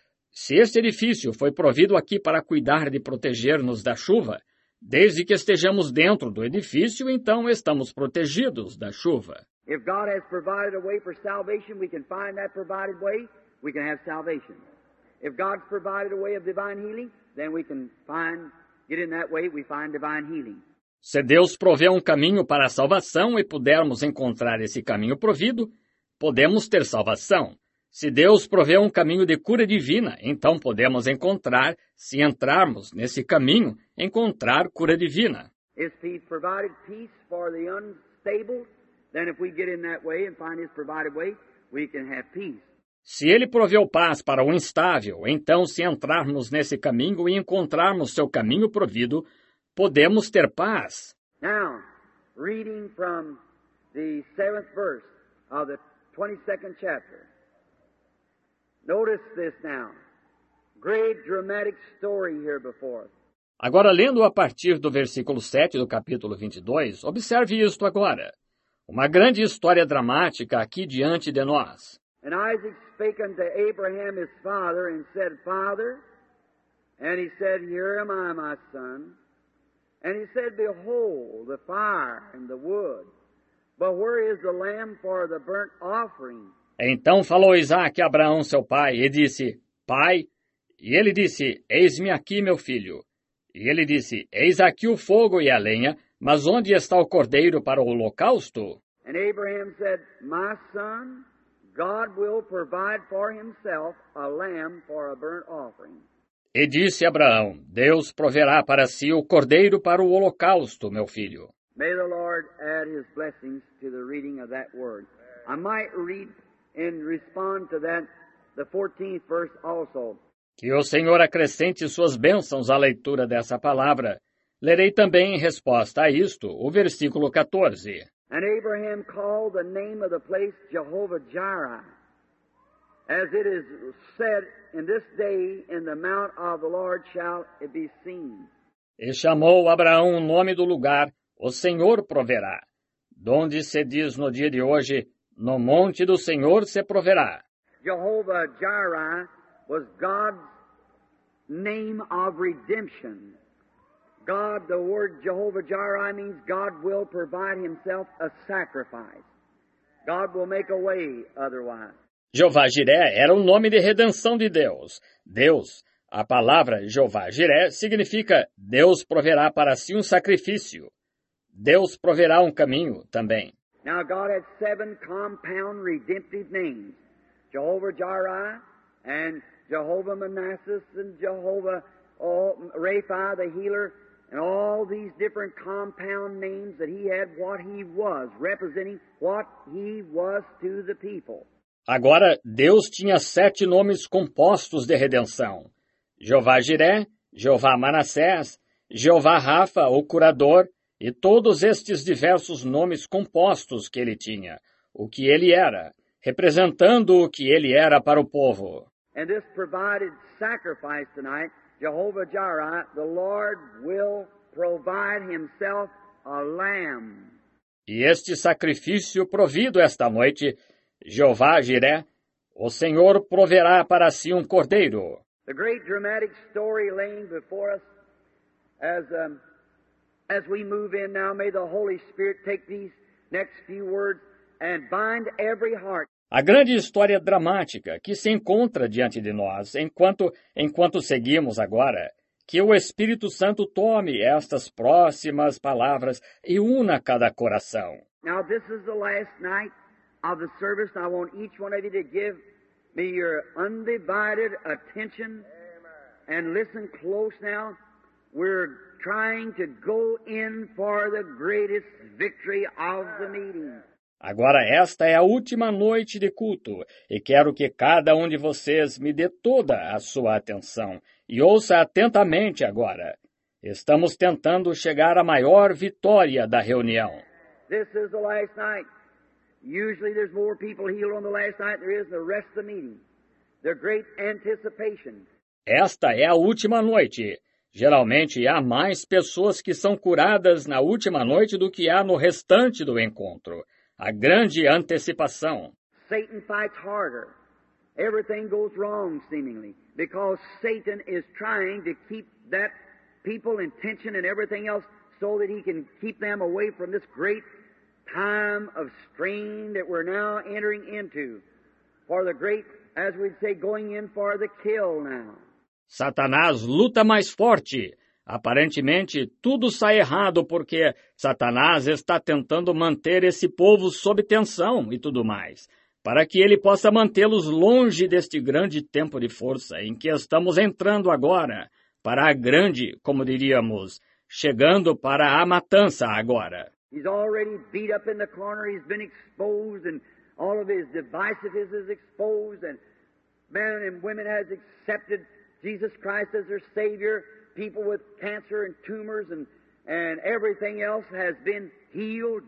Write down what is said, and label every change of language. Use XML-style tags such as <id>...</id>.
<pt>Se este edifício foi provido aqui para cuidar de proteger-nos da chuva, desde que estejamos dentro do edifício, então estamos protegidos da chuva.</pt> <en>If God has provided a way for salvation, we can find that provided way, we can have salvation. If God's provided a way of divine healing, then we can find, get in that way, we find divine healing.</en> <pt>Se Deus provê um caminho para a salvação e pudermos encontrar esse caminho provido, podemos ter salvação. Se Deus provê um caminho de cura divina, então podemos encontrar, se entrarmos nesse caminho, encontrar cura divina.</pt> <en>If He's provided peace for the unstable, then if we get in that way and find His provided way, we can have peace.</en> <pt>Se Ele proveu paz para o instável, então se entrarmos nesse caminho e encontrarmos seu caminho provido, podemos ter paz.</pt> <en>Now, reading from the 7th verse of the 22nd chapter. Notice this now. Great dramatic story here before.</en> <pt>Agora, lendo a partir do versículo 7 do capítulo 22, observe isto agora. Uma grande história dramática aqui diante de nós.</pt> <en>And Isaac spake unto Abraham his father and said, Father, and he said, Here am I, my son. And he said, Behold, the fire and the wood, but where is the lamb for the burnt offering?</en> <pt>Então falou Isaac a Abraão, seu pai, e disse, Pai, e ele disse, Eis-me aqui, meu filho. E ele disse, Eis aqui o fogo e a lenha, mas onde está o cordeiro para o holocausto?</pt> <en>And Abraham said, My son, God will provide for himself a lamb for a burnt offering.</en> <pt>E disse Abraão, Deus proverá para si o cordeiro para o holocausto, meu filho.</pt> <en>May the Lord add his blessings to the reading of that word. I might read and respond to that, the 14th verse also.</en> <pt>Que o Senhor acrescente suas bênçãos à leitura dessa palavra. Lerei também em resposta a isto, o versículo 14.</pt> <en>And Abraham called the name of the place Jehovah Jireh, as it is said, In this day in the mount of the Lord shall it be seen.</en> <pt>E chamou Abraão o nome do lugar, O Senhor proverá. Donde se diz no dia de hoje, No monte do Senhor se proverá.</pt> <en>Jehovah Jireh was God's name of redemption. God, the word Jehovah Jireh means God will provide himself a sacrifice. God will make a way otherwise.</en> <pt>Jeová Jiré era o nome de redenção de Deus. Deus, a palavra Jeová Jiré significa Deus proverá para si um sacrifício. Deus proverá um caminho também.</pt> <en>Now God had seven compound redemptive names. Jehovah Jireh and Jehovah Manassas and Jehovah Rapha the healer and all these different compound names that he had what he was representing what he was to the people.</en> <pt>Agora Deus tinha sete nomes compostos de redenção. Jeová Jiré, Jeová Manassés, Jeová Rafa, o curador. E todos estes diversos nomes compostos que ele tinha, o que ele era, representando o que ele era para o povo.</pt> <en>And this provided sacrifice tonight, Jehovah Jireh, the Lord will provide himself a lamb.</en> <pt>E este sacrifício provido esta noite, Jeová Jiré, o Senhor proverá para si um cordeiro.</pt> <en>The great dramatic story laying before us as a As we move in now, may the Holy Spirit take these next few words and bind every heart.</en> <pt>A grande história dramática que se encontra diante de nós, enquanto seguimos agora, que o Espírito Santo tome estas próximas palavras e una cada coração.</pt> <en>Now this is the last night of the service. I want each one of you to give me your undivided attention and listen close now. We're trying to go in for the greatest victory of the meeting.</en> <pt>Agora esta é a última noite de culto e quero que cada um de vocês me dê toda a sua atenção E ouça atentamente agora. Estamos tentando chegar à maior vitória da reunião.</pt> <en>This is the last night. Usually there's more people healed on the last night than there is the rest of the meeting. The great anticipation.</en> <pt>Esta é a última noite. Geralmente há mais pessoas que são curadas na última noite do que há no restante do encontro. A grande antecipação.</pt> <en>Satan fights harder. Everything goes wrong, seemingly, because Satan is trying to keep that people in tension and everything else so that he can keep them away from this great time of strain that we're now entering into. For the great, as we'd say, going in for the kill now.</en> <pt>Satanás luta mais forte. Aparentemente, tudo sai errado porque Satanás está tentando manter esse povo sob tensão e tudo mais, para que ele possa mantê-los longe deste grande tempo de força em que estamos entrando agora, para a grande, como diríamos, chegando para a matança agora.</pt> <en>He's already beat up in the corner, he's been exposed, and all of his devices is exposed, and men and women has accepted Jesus Christ as their Savior. People with cancer and tumors and everything else has been healed.</en>